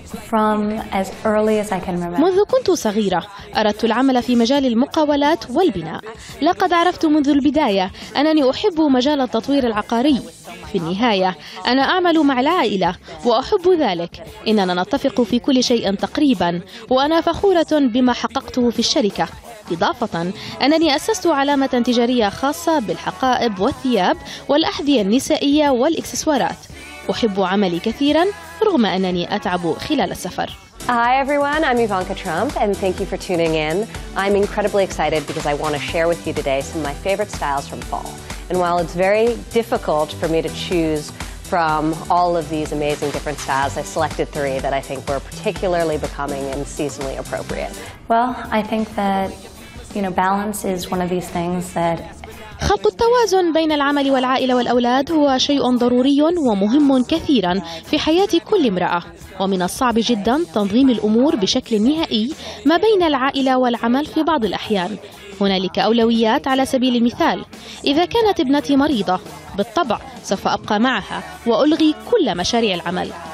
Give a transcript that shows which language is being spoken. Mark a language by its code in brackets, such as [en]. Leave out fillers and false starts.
[en] From as early as I can remember. [ar] منذ كنت صغيرة أردت العمل في مجال المقاولات والبناء. لقد عرفت منذ البداية أنني أحب مجال التطوير العقاري. في النهاية أنا أعمل مع العائلة وأحب ذلك. إننا نتفق في كل شيء تقريبا، وأنا فخورة بما حققته في الشركة. إضافة أنني أسست علامة تجارية خاصة بالحقائب والثياب والأحذية النسائية والإكسسوارات. أحب عملي كثيرا رغم أنني أتعب خلال السفر. [en] Hi everyone, I'm Ivanka Trump and thank you for tuning in. I'm incredibly excited because I want to share with you today some of my favorite styles from fall. And while it's very difficult for me to choose from all of these amazing different styles, I selected three that I think were particularly becoming and seasonally appropriate. Well, I think that you know, balance is one of these things that [ar] خلق التوازن بين العمل والعائلة والأولاد هو شيء ضروري ومهم كثيرا في حياة كل امرأة، ومن الصعب جدا تنظيم الأمور بشكل نهائي ما بين العائلة والعمل في بعض الأحيان. هنالك أولويات. على سبيل المثال، إذا كانت ابنتي مريضة بالطبع سوف أبقى معها وألغي كل مشاريع العمل.